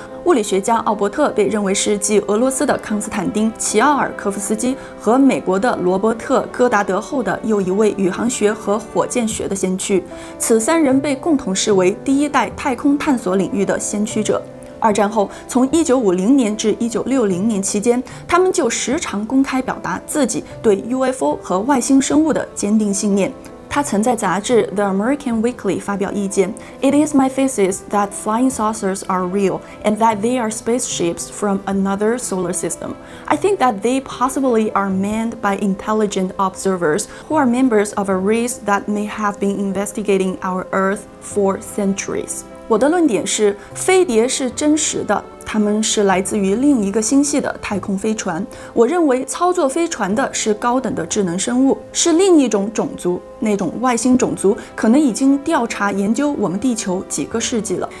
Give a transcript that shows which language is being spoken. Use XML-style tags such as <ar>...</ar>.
<zh>物理学家奥伯特被认为是继俄罗斯的康斯坦丁·齐奥尔科夫斯基和美国的罗伯特·戈达德后的又一位宇航学和火箭学的先驱，此三人被共同视为第一代太空探索领域的先驱者。二战后，从1950年至1960年期间，他们就时常公开表达自己对 UFO 和外星生物的坚定信念。他曾在杂志</zh> <en>The American Weekly</en> <zh>发表意见，</zh> <en>It is my thesis that flying saucers are real and that they are spaceships from another solar system. I think that they possibly are manned by intelligent observers who are members of a race that may have been investigating our Earth for centuries.</en> <zh>我的论点是，飞碟是真实的，它们是来自于另一个星系的太空飞船。我认为操作飞船的是高等的智能生物，是另一种种族，那种外星种族可能已经调查研究我们地球几个世纪了。</zh>